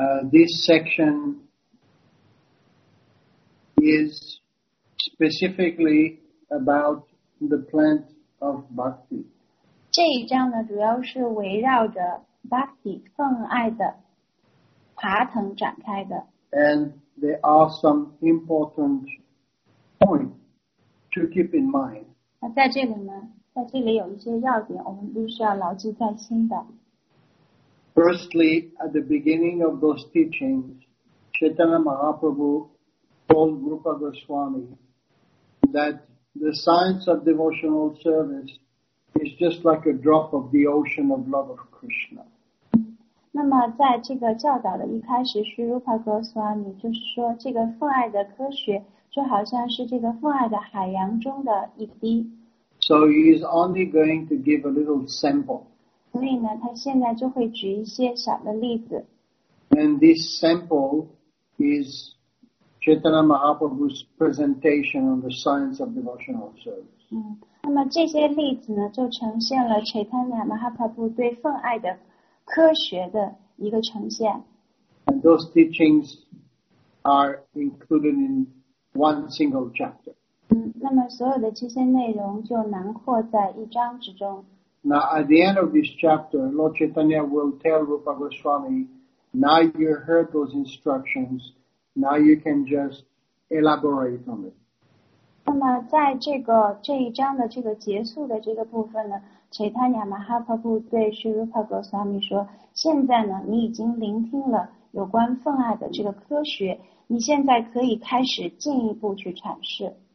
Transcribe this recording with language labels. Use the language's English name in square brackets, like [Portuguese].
[English] This section is specifically about the plant of bhakti. [Chinese] 这一章呢，主要是围绕着 bhakti 奉爱的爬藤展开的。 [English] And there are some important points to keep in mind. [Chinese] 那在这里呢，在这里有一些要点，我们都是要牢记在心的。 [English] Firstly, at the beginning of those teachings, Chaitanya Mahaprabhu told Rupa Goswami that the science of devotional service is just like a drop of the ocean of love of Krishna. [Chinese] 那么在这个教导的一开始，是 Rupa Goswami 就是说，这个奉爱的科学就好像是这个奉爱的海洋中的一滴。 [English] So he is only going to give a little sample. [Chinese] 所以呢，他现在就会举一些小的例子。 [English] And this sample is Chaitanya Mahaprabhu's presentation on the science of devotional service. [Chinese] 那么这些例子呢，就呈现了 Chaitanya Mahaprabhu 对奉爱的科学的一个呈现。 [English] And those teachings are included in one single chapter. [Chinese] 那么所有的这些内容就囊括在一章之中。 [English] Now, at the end of this chapter, Lord Chaitanya will tell Rupa Goswami, now you heard those instructions, now you can just elaborate on it. [Chinese] 那么在这个这一章的这个结束的这个部分呢， Chaitanya Mahaprabhu 对 Sri Rupa Goswami 说，现在呢，你已经聆听了有关奉爱的这个科学，你现在可以开始进一步去阐释。